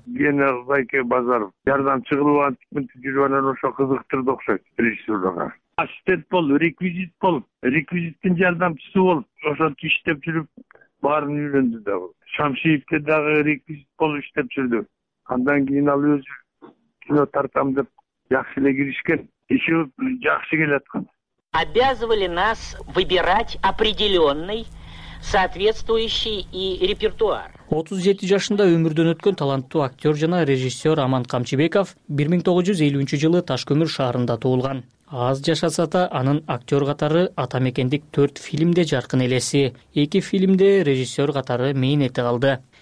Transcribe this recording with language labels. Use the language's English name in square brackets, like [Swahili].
[Kyrgyz] Гена Зайке Базаров жардамчы кылып антип мынтип жүрүп анан ошо кызыктырды окшойт режиссерлорго. Ассистент болуп, реквизит болуп, реквизиттин жардамчысы болуп ошентип иштеп жүрүп баарын үйрөндү да бул. Шамшиевке дагы реквизит болуп иштеп жүрдү. Андан кийин ал өзү кино тартам деп жакшы эле киришкен. Еще жакшы келаткан. [Russian] Обязывали нас выбирать определенный соответствующий и репертуар. [Kyrgyz] 37 жашында өмүрдөн өткөн таланттуу актер жана режиссер Аман Камчыбеков 1953 жылы Ташкөмүр шаарында туулган. Аз жашаса да анын актер катары ата мекендик 4 фильмде жаркын элеси, 2 фильмде режиссер катары мээнети калды.